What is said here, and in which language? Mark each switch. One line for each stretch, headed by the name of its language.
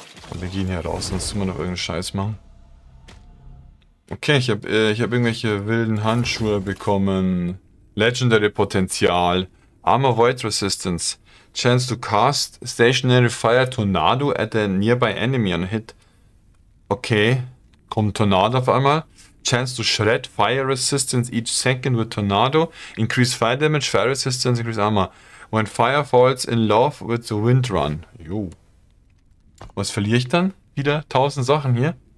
German: Und wir gehen hier raus, sonst müssen wir noch irgendeinen Scheiß machen. Okay, ich hab irgendwelche wilden Handschuhe bekommen.
English: Legendary Potenzial. Armor Void Resistance. Chance to cast Stationary Fire Tornado at a nearby enemy on hit. Okay.
German: Kommt Tornado auf einmal.
English: Chance to shred Fire Resistance each second with Tornado. Increase Fire Damage, Fire Resistance, increase Armor. When Fire falls in love with the Wind Run.
German: Jo. Was verliere ich dann? Wieder 1000 Sachen hier.